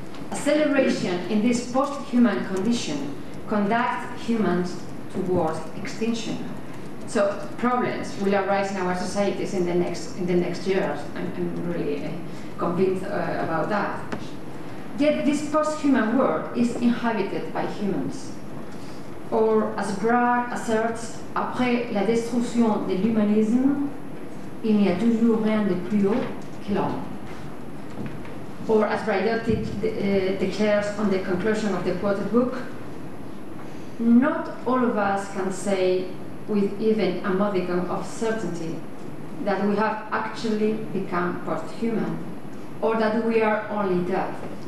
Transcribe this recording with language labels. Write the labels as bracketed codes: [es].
[en] A celebration in this post-human condition conducts humans towards extinction. So problems will arise in our societies in the next years. I'm really convinced about that. Yet this post-human world is inhabited by humans. Or as Braque asserts, [fr] après la destruction de l'humanisme, il n'y a toujours rien de plus haut que l'homme. [en] Or as Braidotti declares on the conclusion of the quoted book, not all of us can say with even a modicum of certainty that we have actually become post-human, or that we are only death.